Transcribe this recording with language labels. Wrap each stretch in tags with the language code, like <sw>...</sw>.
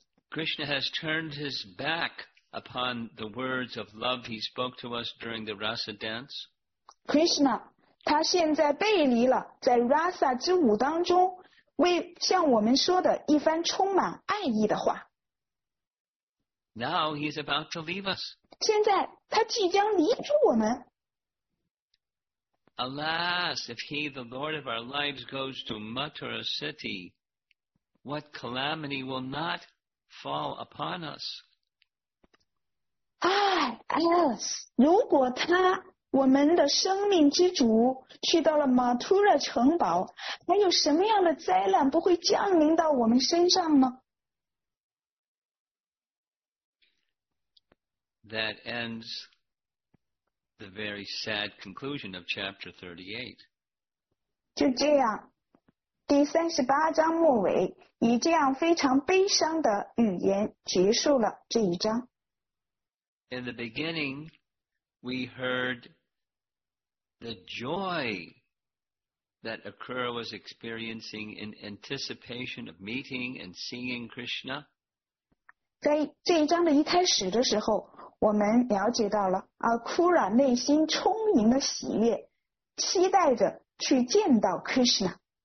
<en>Krishna has turned his back upon the words of love he spoke to us during the Rasa dance.</en> <zh>Krishna, 他现在背离了在 Rasa 之舞当中。为像我们说的一番充满爱意的话。</zh> <en>Now he's about to leave us.</en> <zh>现在他即将离开我们。</zh> <en>Alas, if he, the Lord of our lives, goes to Mathura City, what calamity will not fall upon us?</en> <zh>哎，如果他。我们的生命之主去到了马图拉城堡，还有什么样的灾难不会降临到我们身上呢？</zh> <en>That ends the very sad conclusion of chapter 38.</en> <zh>就这样，第38章末尾，以这样非常悲伤的语言结束了这一章。</zh> <en>In the beginning, we heard. The joy that Akura was experiencing in anticipation of meeting and seeing Krishna.</en> <zh>在这一章的一开始的时候，我们了解到了Akura内心充盈的喜悦，期待着去见到 Krishna.</zh>